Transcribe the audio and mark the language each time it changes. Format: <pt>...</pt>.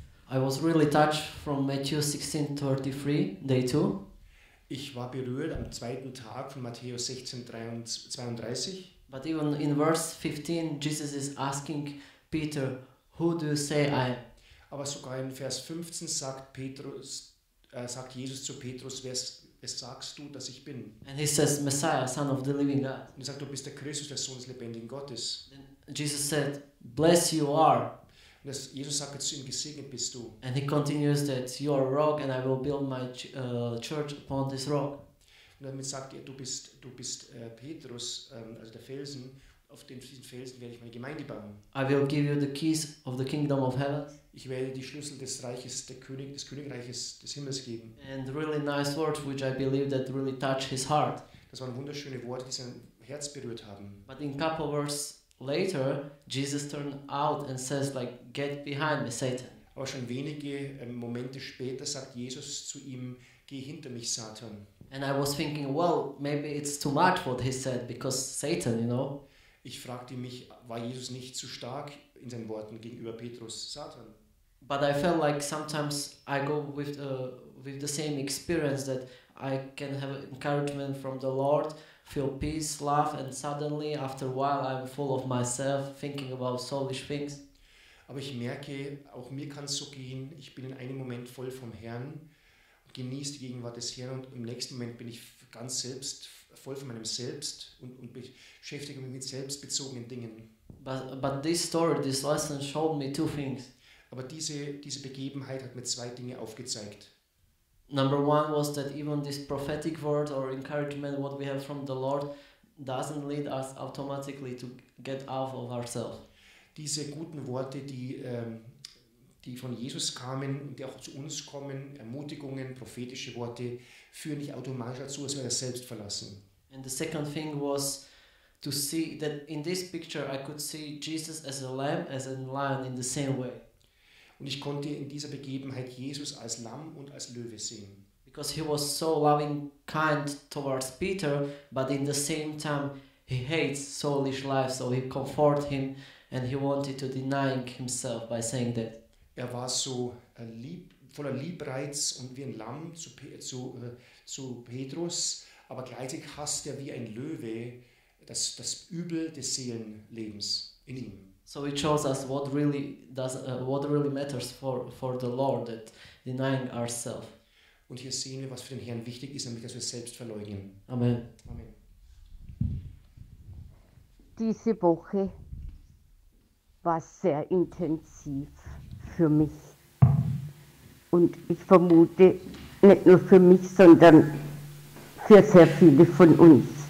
<en>I was really touched from Matthew 16:33, day 2.</en> <de>Ich war berührt am zweiten Tag von Matthäus 16:32.</de> <en>But even in verse 15, Jesus is asking Peter, who do you say I?</en> <de>Aber sogar in Vers 15 sagt Jesus zu Petrus, wer sagst du, dass ich bin?</de> <en>And he says, Messiah, son of the living God.</en> <de>Und er sagt, du bist der Christus, der Sohn des lebendigen Gottes.</de> <en>Then Jesus said, blessed you are.</en> <de>Und Jesus sagt zu ihm, gesegnet bist du.</de> <en>And he continues that you are a rock and I will build my church upon this rock.</en> <de>Und damit sagt er, du bist Petrus, also der Felsen. Auf diesen Felsen werde ich meine Gemeinde bauen.</de> <en>I will give you the keys of the kingdom of heaven.</en> <de>Ich werde die Schlüssel des Reiches, des Königreiches des Himmels geben.</de> <en>And really nice words, which I believe that really touch his heart.</en> <de>Das waren wunderschöne Worte, die sein Herz berührt haben.</de> <en>But in couple verse later, Jesus turned out and says like, get behind me, Satan.</en> <de>Aber schon wenige Momente später sagt Jesus zu ihm, geh hinter mich, Satan.</de> <en>And I was thinking, well, maybe it's too much what he said, because Satan, you know.</en> <de>Ich fragte mich, war Jesus nicht zu stark in seinen Worten gegenüber Petrus, Satan?</de> <en>But I felt like sometimes I go with the same experience that I can have encouragement from the Lord, feel peace, love, and suddenly after a while I'm full of myself, thinking about selfish things.</en> <de>Aber ich merke, auch mir kann es so gehen. Ich bin in einem Moment voll vom Herrn, genieße die Gegenwart des Herrn und im nächsten Moment bin ich ganz selbst. Voll von meinem Selbst und beschäftige mich mit selbstbezogenen Dingen.</de> <en>But this story, this lesson showed me two things.</en> <de>Aber diese Begebenheit hat mir zwei Dinge aufgezeigt.</de> <en>Number one was that even this prophetic word or encouragement what we have from the Lord doesn't lead us automatically to get out of ourselves.</en> <de>Diese guten Worte, die von Jesus kamen und die auch zu uns kommen, Ermutigungen, prophetische Worte, führen nicht automatisch dazu, dass wir das selbst verlassen.</de> <en>And the second thing was to see that in this picture I could see Jesus as a lamb, as a lion in the same way.</en> <de>Und ich konnte in dieser Begebenheit Jesus als Lamm und als Löwe sehen.</de> <en>Because he was so loving, kind towards Peter, but in the same time he hates soulish life, so he comforted him and he wanted to deny himself by saying that.</en> <de>Er war so lieb, voller Liebreiz und wie ein Lamm zu Petrus, aber gleichzeitig hasst er wie ein Löwe das Übel des Seelenlebens in ihm.</de> <en>So it shows us what really matters for the Lord, that denying ourselves.</en> <de>Und hier sehen wir, was für den Herrn wichtig ist, nämlich dass wir selbst verleugnen.</de> <en>Amen.</en> <de>Amen. Diese Woche war sehr intensiv für mich. Und ich vermute, nicht nur für mich, sondern für sehr viele von uns.</de>